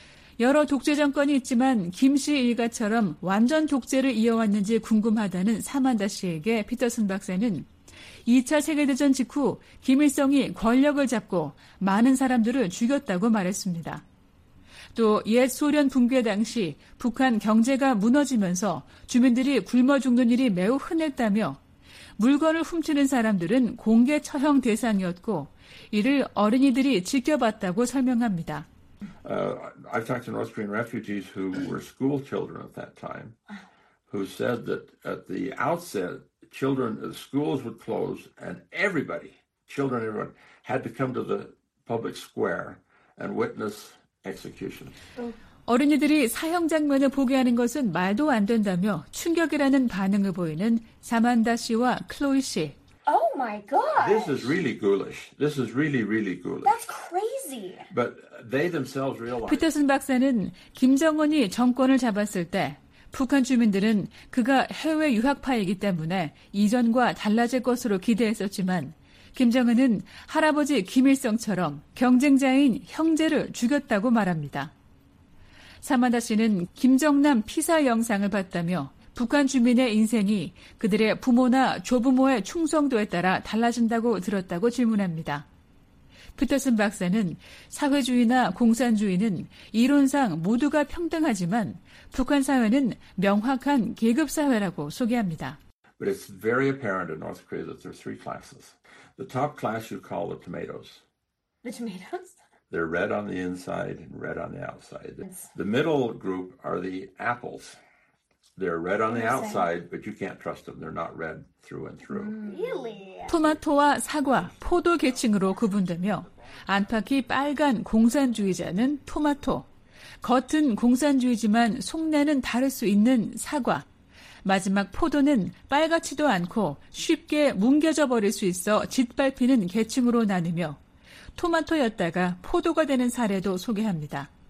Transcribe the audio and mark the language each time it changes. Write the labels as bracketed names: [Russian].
[Korean] 여러 독재 정권이 있지만 김 씨 일가처럼 완전 독재를 이어왔는지 궁금하다는 사만다 씨에게 피터슨 박사는 2차 세계대전 직후 김일성이 권력을 잡고 많은 사람들을 죽였다고 말했습니다. 또 옛 소련 붕괴 당시 북한 경제가 무너지면서 주민들이 굶어 죽는 일이 매우 흔했다며 물건을 훔치는 사람들은 공개 처형 대상이었고 이를 어린이들이 지켜봤다고 설명합니다. [English] I've talked to North Korean refugees who were school children at that time who said that at the outset children the schools would close and everybody children everyone had to come to the public square and witness [Korean] 어린이들이 사형 장면을 보게 하는 것은 말도 안 된다며 충격이라는 반응을 보이는 사만다 씨와 클로이 씨. [English] Oh my god. This is really ghoulish. This is really really ghoulish. That's crazy. But they themselves realize. [Korean] 피터슨 박사는 김정은이 정권을 잡았을 때 북한 주민들은 그가 해외 유학파이기 때문에 이전과 달라질 것으로 기대했었지만 김정은은 할아버지 김일성처럼 경쟁자인 형제를 죽였다고 말합니다. 사만다 씨는 김정남 피사 영상을 봤다며 북한 주민의 인생이 그들의 부모나 조부모의 충성도에 따라 달라진다고 들었다고 질문합니다. 피터슨 박사는 사회주의나 공산주의는 이론상 모두가 평등하지만 북한 사회는 명확한 계급사회라고 소개합니다. [English] But it's very apparent in North Korea that there are three classes. The top class you call the tomatoes. The tomatoes? They're red on the inside and red on the outside. The middle group are the apples. They're red on the outside, but you can't trust them. They're not red through and through. Really? [Korean] 토마토와 사과, 포도 계층으로 구분되며 안팎이 빨간 공산주의자는 토마토, 겉은 공산주의지만 속내는 다를 수 있는 사과, 마지막 포도는 빨갛지도 않고 쉽게 뭉겨져 버릴 수 있어 짓밟히는 계층으로 나누며 토마토였다가 포도가 되는 사례도 소개합니다.